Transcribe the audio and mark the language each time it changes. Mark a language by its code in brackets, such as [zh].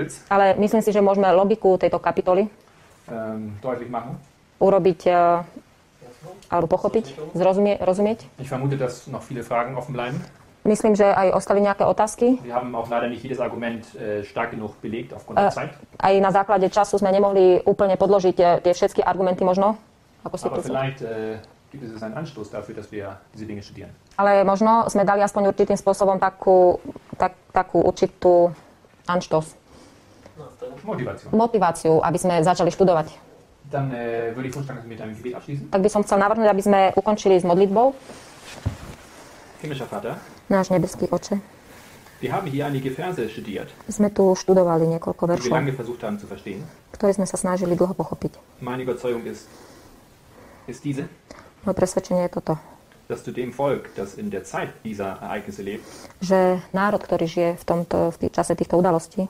[sk] Ale myslím si, že môžeme logiku tejto kapitoly [de] deutlich machen. [sk] Urobiť alebo pochopiť, zrozumieť. [de] Ich vermute, dass noch viele Fragen offen bleiben. [sk] Myslím, že aj ostali nejaké otázky. [de] Wir haben auch leider nicht jedes Argument stark genug belegt aufgrund der Zeit. [sk] Aj na základe času sme nemohli úplne podložiť tie všetky argumenty možno. Ako si [de] aber vielleicht gibt es einen Anstoß dafür, dass wir diese Dinge studieren. [sk] Ale možno sme dali aspoň určitým spôsobom takú určitú Anstoß. Motiváciu, aby sme začali študovať. [de] Dann würde ich vorschlagen, dass wir mit einem Gebet abschließen. [sk] Tak by som chcel navrhnúť, aby sme ukončili s modlitbou. [de] Himmlischer Vater. [sk] Náš nebeský Oče. [de] Wir haben hier einige Verse studiert. [sk] Sme tu študovali niekoľko veršov. [de] Lange versucht haben zu verstehen. [sk] Ktoré sme sa snažili dlho pochopiť. [de] Meine Überzeugung ist diese. [sk] Moje presvedčenie je toto. [de] Dass zu dem Volk, das in der Zeit dieser Ereignisse lebt. [sk] Že národ, ktorý žije v čase týchto udalostí.